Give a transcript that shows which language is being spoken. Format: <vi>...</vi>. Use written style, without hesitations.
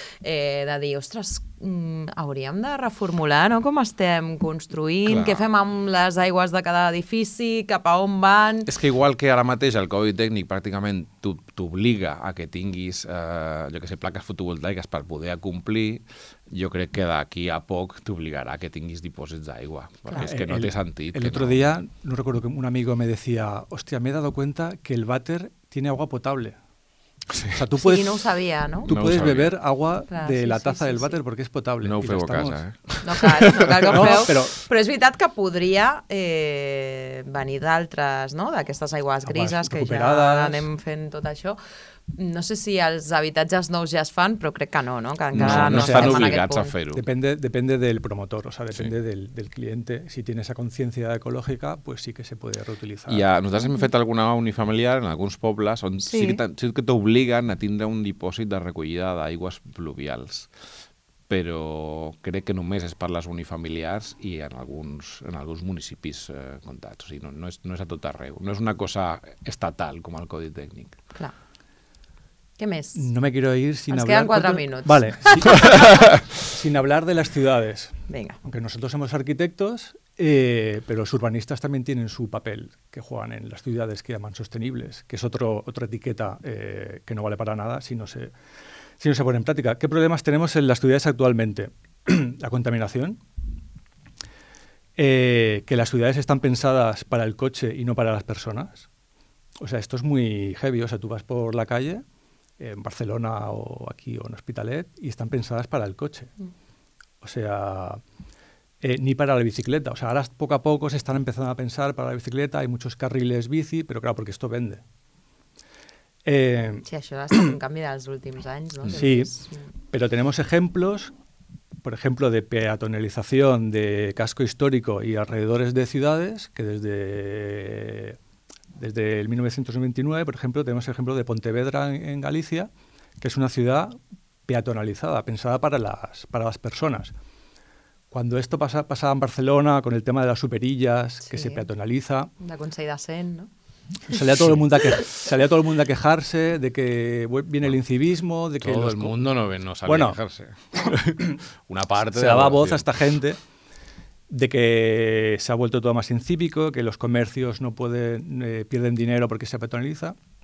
<ca>De dir, ostres, hauríem de reformular, no?, com estem construint, clar, què fem amb les aigües de cada edifici, cap a on van... És que igual que ara mateix el codi tècnic pràcticament t'obliga a que tinguis, jo que sé, plaques fotovoltaiques per poder acomplir, jo crec que d'aquí a poc t'obligarà a que tinguis dipòsits d'aigua, perquè clar, és que no té sentit.</ca> <es>El otro día, no recuerdo que un amigo me decía, hostia, me he dado cuenta que el váter tiene agua potable. Sí. O sea, tú puedes, sí,</es> <ca>no ho sabia, no?</ca> <es>Tú no puedes</es> <ca>sabia</ca> <es>beber agua, claro, de la, sí, taza, sí, del váter, sí, porque es potable.</es> <ca>No ho feu a casa, eh? No cal que ho feu, però és veritat que podria venir d'altres, no?, d'aquestes aigües grises que ja anem fent tot això. No sé si els habitatges nous ja es fan, però crec que no, no? Que encara no estan obligats a fer-ho.</ca> <es>Depende del promotor, o sea, depende, sí, del cliente. Si tiene esa conciencia ecológica, pues sí que se puede reutilizar.</es> <ca>Ja, nosaltres hem fet alguna unifamiliar en alguns pobles on sí que t'obliguen a tindre un dipòsit de recollida d'aigües pluvials. Però crec que només és per les unifamiliars i en alguns municipis comptats. O sigui, no és a tot arreu. No és una cosa estatal com el Codi Tècnic.</ca> <es>Clar. ¿Qué mes? No me quiero ir sin Nos hablar... Nos quedan cuatro minutos. Vale. Sin hablar de las ciudades. Venga. Aunque nosotros somos arquitectos, pero los urbanistas también tienen su papel, que juegan en las ciudades que llaman sostenibles, que es otra etiqueta que no vale para nada si no se si no se pone en práctica. ¿Qué problemas tenemos en las ciudades actualmente? La contaminación, que las ciudades están pensadas para el coche y no para las personas. O sea, esto es muy heavy. O sea, tú vas por la calle, en Barcelona o aquí o en Hospitalet, y están pensadas para el coche. O sea, ni para la bicicleta. O sea, ahora poco a poco se están empezando a pensar para la bicicleta. Hay muchos carriles bici, pero claro, porque esto vende.</es> <ca>Sí, això ha estat un canvi dels últims anys, no? Sí, però tenim exemples, per exemple, de peatonalització de casco històric i alrededores de ciutats, que des de el 1999, per exemple, tenim exemple de Pontevedra en Galícia, que és una ciutat peatonalitzada, pensada per a les persones. Quan això passava en Barcelona, amb el tema de les superilles, que se peatonalitza... De Consell de Cent, no?</ca> <es>Salía todo el mundo a quejarse de que viene el incivismo, de que todo el mundo no salía a quejarse. Una parte se daba voz a esta gente de que se ha vuelto todo más incívico, que los comercios no pueden pierden dinero porque se peatonaliza.</es>